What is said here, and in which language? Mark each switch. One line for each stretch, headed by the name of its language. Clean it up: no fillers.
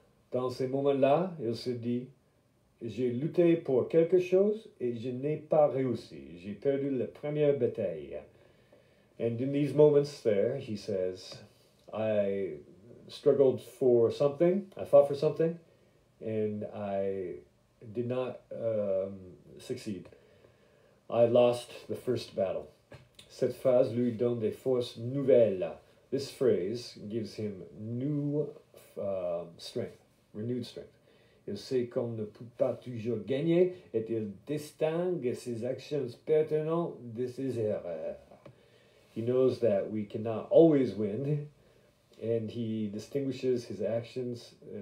French: Dans ces moments-là, il se dit, j'ai lutté pour quelque chose et je n'ai pas réussi. J'ai perdu la première bataille.
English: And in these moments there, he says, I struggled for something, I fought for something, and I did not succeed. I lost the first battle.
French: Cette phrase lui donne des forces nouvelles.
English: This phrase gives him new strength, renewed strength.
French: Il sait qu'on ne peut pas toujours gagner, et il distingue ses actions pertinentes de ses erreurs.
English: He knows that we cannot always win, and he distinguishes his actions.